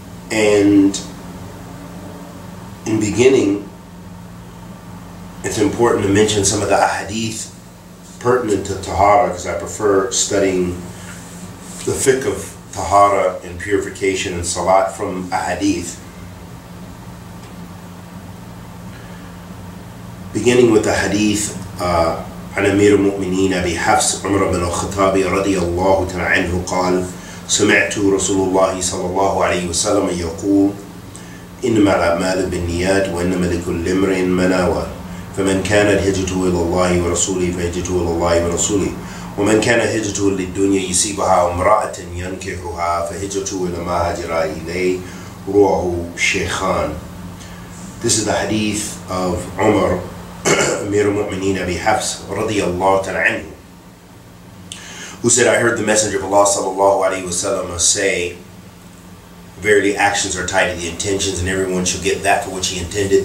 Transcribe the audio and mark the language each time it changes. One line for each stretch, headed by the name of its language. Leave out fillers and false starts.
English: And in beginning, it's important to mention some of the ahadith pertinent to tahara, because I prefer studying the fiqh of tahara and purification and salat from ahadith.
Arabic: Beginning with the hadith عن أمير المؤمنين أبي حفص عمر بن الخطاب رضي الله تعالى عنه قال سمعت رسول الله صلى الله عليه وسلم يقول إنما الأعمال بالنيات وإنما لكل امرئ ما نوى فمن كان هجرته إلى الله ورسوله فهجرته إلى الله ورسوله ومن كان هجرته للدنيا يصيبها امرأة ينكحها فهجرته إلى ما هجر إليه رواه شيخان.
English: This is the hadith of Umar Amir al-Mu'mineen Abi Hafs radiyallahu ta'ala anhu, who said, I heard the Messenger of Allah sallallahu alayhi wa sallam say, verily actions are tied to the intentions, and everyone shall get that for which he intended.